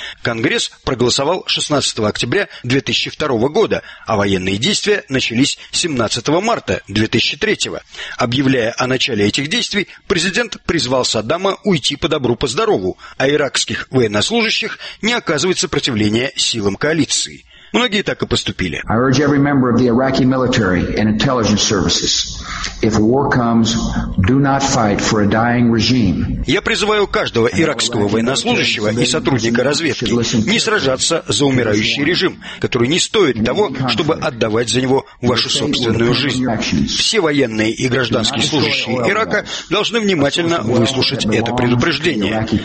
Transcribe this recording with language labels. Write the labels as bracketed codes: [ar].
[ru] Конгресс проголосовал 16 октября 2002 года, а военные действия начались 17 марта 2003. Объявляя о начале этих действий, президент призвал Саддама уйти по добру по здорову, а иракских военнослужащих не оказывать сопротивления силам коалиции. Многие так и поступили. [en] I urge every member of the Iraqi military and intelligence services, if war comes, do not fight for a dying regime. [ru] Я призываю каждого иракского военнослужащего и сотрудника разведки не сражаться за умирающий режим, который не стоит того, чтобы отдавать за него вашу собственную жизнь. Все военные и гражданские служащие Ирака должны внимательно выслушать это предупреждение.